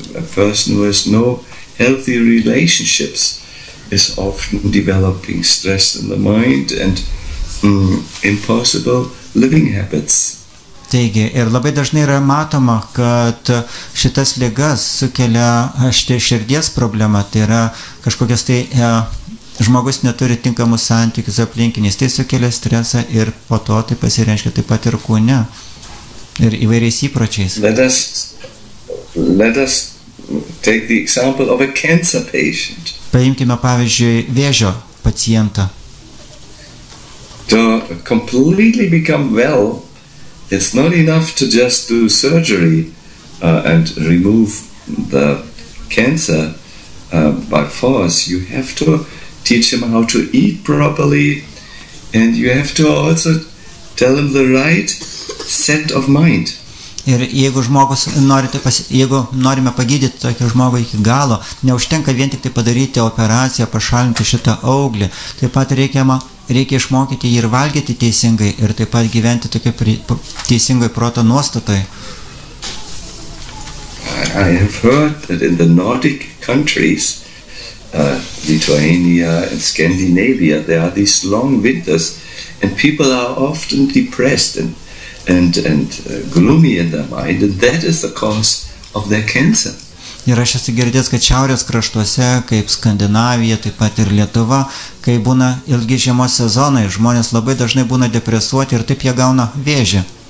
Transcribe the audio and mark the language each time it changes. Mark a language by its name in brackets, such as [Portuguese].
[English] A person who has no healthy relationships is often developing stress in the mind and impossible living habits. [Lithuanian] Taigi, ir labai dažnai yra matoma, kad šitas ligas sukelia širdies problemą, tai yra kažkokias tai žmogus neturi tinkamus santykius aplinkiniais, tai sukelia stresą ir po to tai pasireiškia taip pat ir kūne ir įvairiais įpročiais. [English] Let us take the example of a cancer patient. [Lithuanian] Paimkime pavyzdžiui vėžio pacientą. [English] To completely become well, it's not enough to just do surgery and remove the cancer by force. You have to teach him how to eat properly, and you have to also tell him the right set of mind. [Lithuanian] Ir jeigu žmogus jeigu norime pagydyti tokį žmogų iki galo, neužtenka vien tik tai padaryti operaciją, pašalinti šitą auglį, taip pat reikia išmokyti jį ir valgyti teisingai ir taip pat gyventi tokio teisingoj proto nuostatoj. [English] I have heard that in the Nordic countries, Lithuania and Scandinavia, there are these long winters and people are often depressed and gloomy in their mind, and that is the cause of their cancer. [Lithuanian] Ir aš esu girdęs, kad šiaurės kraštuose, kaip Skandinavija, taip pat ir Lietuva, kai būna ilgi žiemos sezonai, žmonės labai dažnai būna depresuoti ir taip jie gauna vėžį.